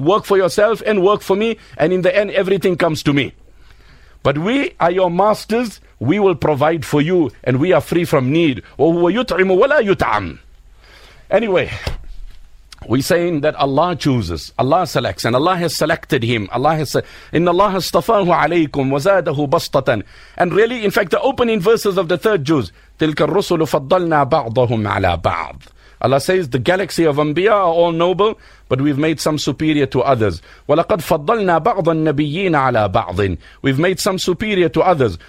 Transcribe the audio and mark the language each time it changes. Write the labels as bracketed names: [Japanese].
[English] Work for yourself and work for me. And in the end, everything comes to me. But we are your masters. We will provide for you. And we are free from need. [Arabic] وَهُوَ يُطْعِمُ وَلَا يُطْعَمُ. [English] Anyway, we're saying that Allah chooses, Allah selects, and Allah has selected him. Allah has said, [Arabic] إِنَّ اللَّهَ اصْطَفَاهُ عَلَيْكُمْ وَزَادَهُ بَسْطَةً. [English] And really, in fact, the opening verses of the third Jews, [Arabic] تِلْكَ الرُّسُلُ فَضَّلْنَا بَعْضَهُمْ عَلَى بَعْضٍ. [English] Allah says, the galaxy of Anbiya are all noble, but we've made some superior to others. [Arabic] وَلَقَدْ فَضَّلْنَا بَعْضَ النَّبِيِّينَ عَلَى بَعْضٍ. [English] We've made some superior to others.